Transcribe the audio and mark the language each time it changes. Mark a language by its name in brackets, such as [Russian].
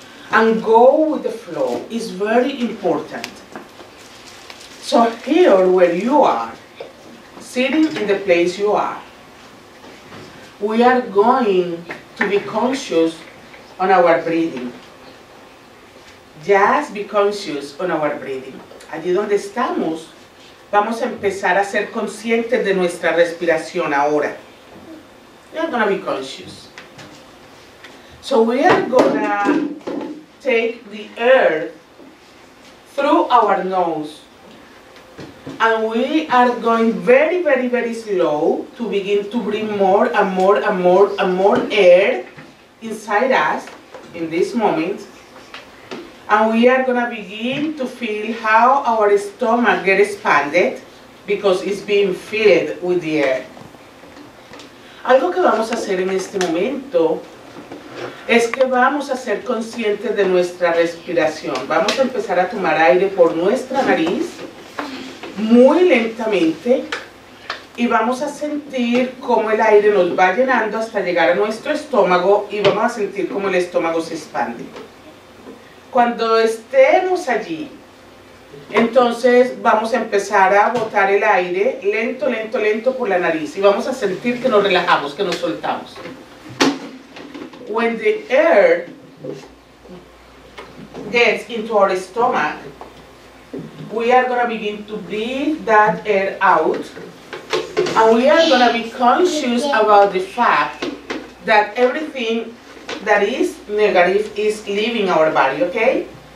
[English] And go with the flow is very important. So, here where you are, sitting in the place you are, we are going to be conscious on our breathing. Just be conscious on our breathing. [Spanish] Allí donde estamos, vamos a empezar a ser conscientes de nuestra respiración ahora. [English] We are gonna be conscious. So we are gonna take the air through our nose. And we are going very, very, very slow to begin to bring more and more and more and more air inside us in this moment. And we are going to begin to feel how our stomach gets expanded because it's being filled with the air. [Spanish] Algo que vamos a hacer en este momento es que vamos a ser conscientes de nuestra respiración. Vamos a empezar a tomar aire por nuestra nariz muy lentamente y vamos a sentir cómo el aire nos va llenando hasta llegar a nuestro estómago y vamos a sentir cómo el estómago se expande. Cuando estemos allí, entonces vamos a empezar a botar el aire lento, lento, lento por la nariz y vamos a sentir que nos relajamos, que nos soltamos. [English] When the air gets into our stomach, we are going to begin to breathe that air out and we are going to be conscious about the fact that everything that is negative is leaving our body, okay?